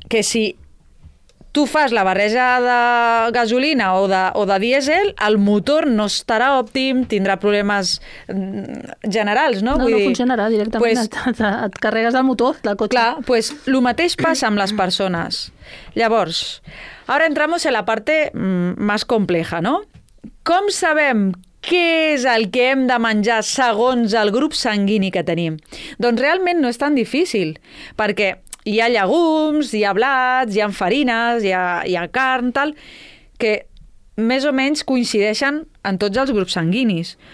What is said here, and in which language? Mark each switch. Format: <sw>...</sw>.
<ca>Que si tu fas la barreja de gasolina o de dièsel, el motor no estarà òptim, tindrà problemes generals, no? No, vull no dir, funcionarà directament, pues, et carregues el motor del cotxe. Clar, pues, lo mateix passa amb les persones. Llavors, ara</ca> <es>entramos en la parte más compleja, no?</es> <ca>Com sabem què és el que hem de menjar segons el grup sanguini que tenim? Doncs realment no és tan difícil, perquè... Hi ha llegums, hi ha blats, hi ha farines, hi ha carn, tal, que més o menys coincideixen en tots els grups sanguinis.</ca>